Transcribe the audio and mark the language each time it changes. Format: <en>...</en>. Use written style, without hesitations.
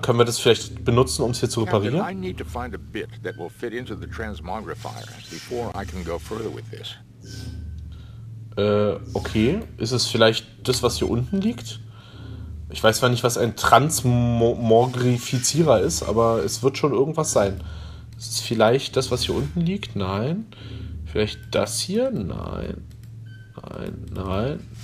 <de>Können wir das vielleicht benutzen, um es hier zu reparieren?</de> <en>I need to find a bit that will fit into the transmogrifier before I can go further with this. Okay.</en> <de>Ist es vielleicht das, was hier unten liegt? Ich weiß zwar nicht, was ein Transmogrifizierer ist, aber es wird schon irgendwas sein. Ist es vielleicht das, was hier unten liegt? Nein. Vielleicht das hier? Nein. Nein, nein.</de>